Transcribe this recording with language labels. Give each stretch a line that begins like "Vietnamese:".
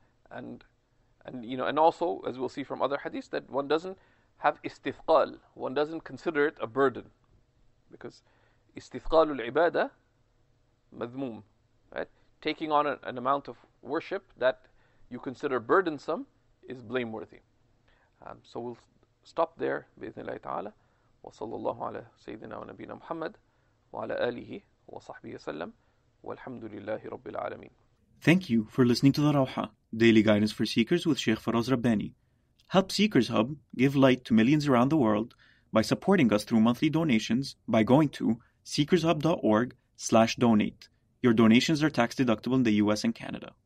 English: And also, as we'll see from other hadiths, that one doesn't have istithqal, one doesn't consider it a burden, because istithqalul ibadah madhmum, right? Taking on an amount of worship that you consider burdensome is blameworthy. So we'll stop there,
Arabic: بإذن الله تعالى. وصلى الله على سيدنا ونبينا محمد وعلى آله وصحبه وسلم والحمد لله رب العالمين.
English: Thank you for listening to the Rawha, Daily Guidance for Seekers with Sheikh Faraz Rabbani. Help Seekers Hub give light to millions around the world by supporting us through monthly donations by going to seekershub.org/donate. Your donations are tax deductible in the US and Canada.